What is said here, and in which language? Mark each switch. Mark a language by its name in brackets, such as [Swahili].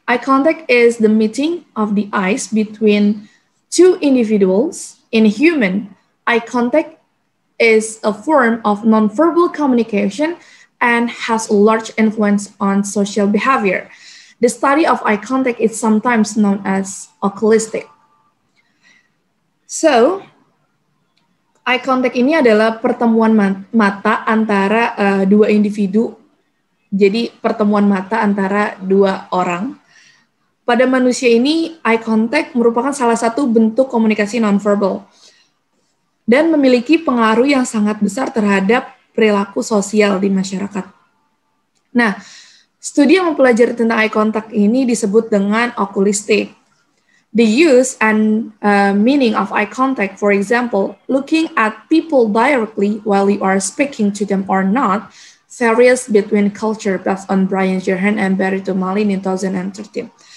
[English] Eye contact is the meeting of the eyes between two individuals. In human, eye contact is a form of nonverbal communication and has a large influence on social behavior. The study of eye contact is sometimes known as oculistic. [Indonesian] So, eye contact ini adalah pertemuan mata antara dua individu. Jadi, pertemuan mata antara dua orang. Pada manusia ini, eye contact merupakan salah satu bentuk komunikasi nonverbal dan memiliki pengaruh yang sangat besar terhadap perilaku sosial di masyarakat. Nah, studi yang mempelajari tentang eye contact ini disebut dengan oculistik. [English] The use and meaning of eye contact, for example, looking at people directly while you are speaking to them or not, varies between culture based on Brian Jehan and Barito Malin in 2013.